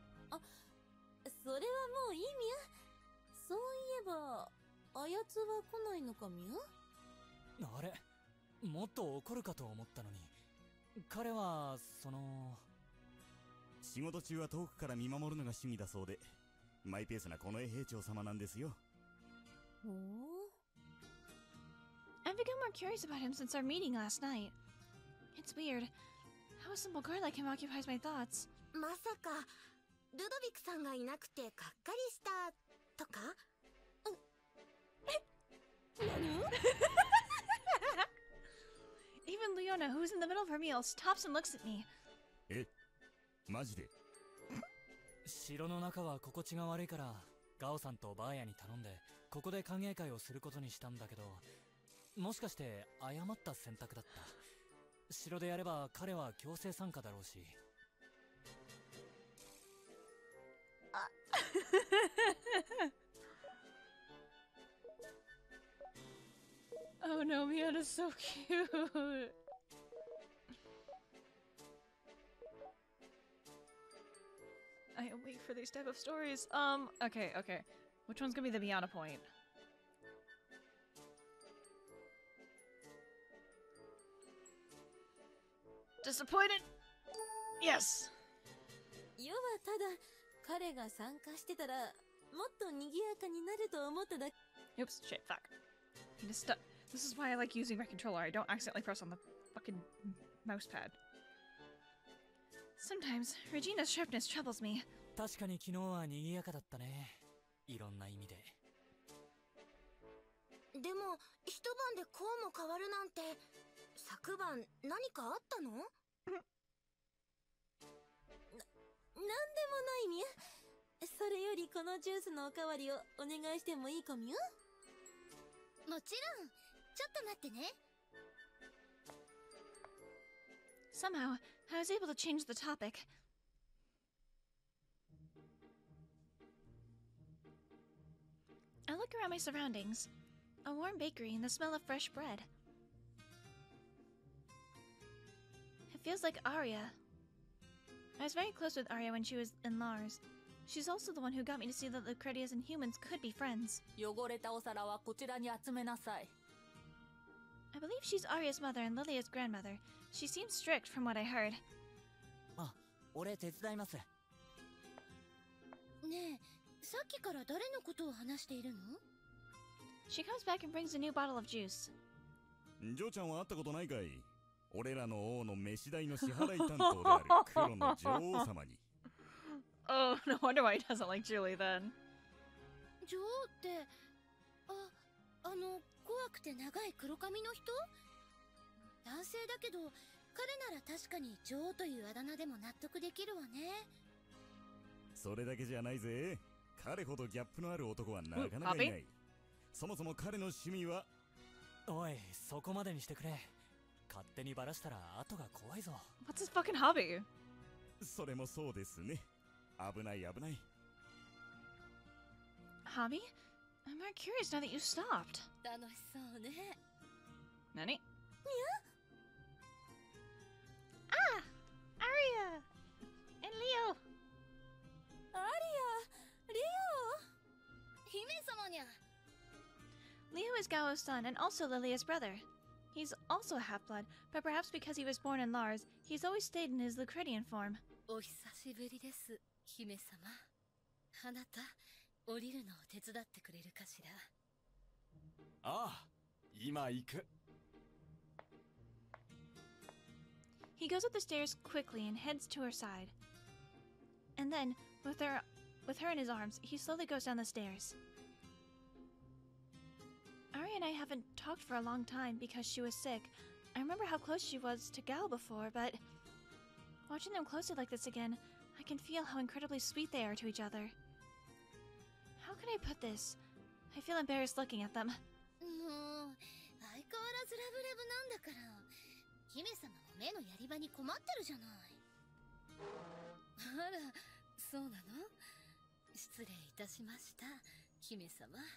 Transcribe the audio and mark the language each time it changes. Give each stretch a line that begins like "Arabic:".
Japanese: あ、それはもういいミュ。そういえばあやつは来ないのかミュ？あれ、もっと怒るかと思ったのに。彼はその… 仕事中は遠くから見守るのが趣味だそうで、マイペースな近衛兵長様なんですよ。
English: Oh? I've become more curious about him since our meeting last night. It's weird. How a simple girl like him occupies my thoughts.
Japanese: まさか、ルドビクさんがいなくてがっかりしたとか？え？なの？
English: Even Leona, who's in the middle of her meal, stops and looks at me.
Japanese: え？マジで？城の中は心地が悪いから、ガオさんとバーヤに頼んで、ここで歓迎会をすることにしたんだけど、もしかして誤った選択だった。城でやれば彼は強制参加だろうし。
English: あっ。 Oh no, Miana's so cute. I am waiting for these type of stories. Okay. Which one's gonna be the Miana point? Disappointed? Yes! You were
Japanese: ただ彼が参加してたらもっと賑やかになると思っただ
English: け。Oops, shit, fuck. This is why I like using my controller. I don't accidentally press on the fucking mouse pad. Sometimes, Regina's sharpness troubles me.
Japanese: 確かに昨日は賑やかだったね。いろんな意味で。でも、一晩でこうも変わるなんて。昨晩何かあったの？なんでもないミュ。それよりこのジュースのおかわりをお願いしてもいいかミュ？もちろん。ちょっと待ってね。
English: Somehow, I was able to change the topic. I look around my surroundings. A warm bakery and the smell of fresh bread. Feels like Aria. I was very close with Aria when she was in Lars. She's also the one who got me to see that Lucretias and humans could be friends.
Japanese: 汚れたお皿はこちらに集めなさい。
English: I believe she's Aria's mother and Lilia's grandmother. She seems strict from what I heard.
Japanese: あ、俺手伝います。ねえ、さっきから誰のことを話しているの？
English: She comes back and brings a new bottle of juice.
Japanese: ジョーちゃんは会ったことないかい？俺らの王の飯代の支払い担当である黒の女王様に。
English: Oh, no wonder why he doesn't like Julie then.
Japanese: 女王って、怖くて長い黒髪の人？男性だけど、彼なら確かに女王というあだ名でも納得できるわね。それだけじゃないぜ。彼ほどギャップのある男はなかなかいない。そもそも彼の趣味は。おい、そこまでにしてくれ。勝手にバラしたら後が怖いぞ。
English: What's his fucking hobby?
Japanese: それもそうですね。危ない危ない。
English: Hobby? I'm more curious now that you stopped.
Japanese: 楽しそうね。なに？ミュ
English: ー？ Ah! Aria! And Leo! Aria! Leo!
Japanese: 姫様にゃ。
English: Leo is Gao's son and also Lilia's brother. He's also a half-blood, but perhaps because he was born in Lars, he's always stayed in his Lucretian form.
Japanese: お久しぶりです、姫様。あなた、降りるのを手伝ってくれるかしら？ああ、今行く。
English: He goes up the stairs quickly and heads to her side. And then, with her in his arms, he slowly goes down the stairs. Aria and I haven't talked for a long time because she was sick. I remember how close she was to Gao before, but watching them closely like this again, I can feel how incredibly sweet they are to each other. How can I put this? I feel embarrassed looking at them.
Japanese: もう、相変わらずラブラブなんだから。姫様も目のやり場に困ってるじゃない。あら、そうなの？失礼いたしました、姫様。